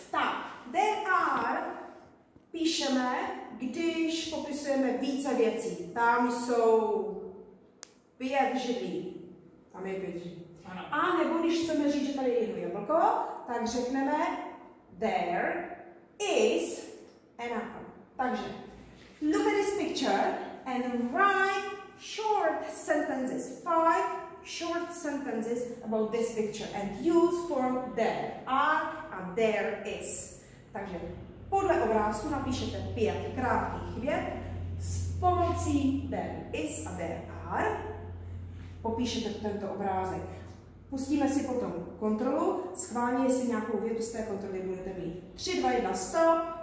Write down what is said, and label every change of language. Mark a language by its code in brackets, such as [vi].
[cs] Tak, [en] there are [cs] píšeme, když popisujeme více věcí. Tam jsou 5 židlí. Tam je 5 židlí. A nebo když chceme říct, že tady je jedno jablko, tak řekneme [en] there is an apple. Takže, look at this picture and write short sentences, 5 short sentences about this picture and use form there are and there is. [cs] Takže podle obrázku napíšete 5 krátkých vět s pomocí [en] there is [cs] a [en] there are. [cs] Popíšete tento obrázek. Pustíme si potom kontrolu, schválně, jestli nějakou větu z té kontroly budete mít. 3, 2, 1, stop.